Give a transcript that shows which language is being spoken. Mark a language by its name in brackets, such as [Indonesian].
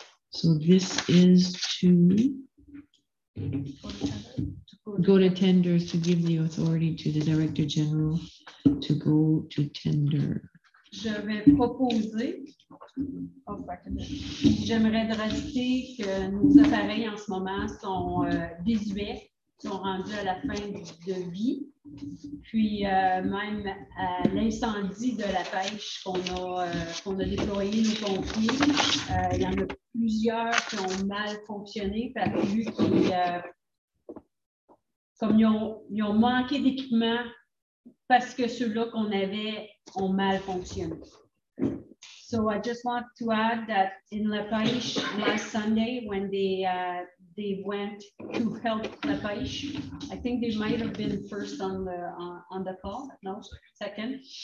[English] So, this is to go to tenders to give the authority to the director general to go to tender. Yeah. [French] Je vais proposer, j'aimerais rajouter que nos appareils en ce moment sont désuets, sont rendus à la fin de vie, puis même à l'incendie de la pêche qu'on a déployé nos pompiers, il y en a plusieurs qui ont mal fonctionné, puis comme ils ont manqué d'équipement, parce que ceux-là qu'on avait ont mal fonctionné. [English] So I just want to add that in La Pêche last Sunday when they went to help La Pêche, I think they might have been first on the call, no, second.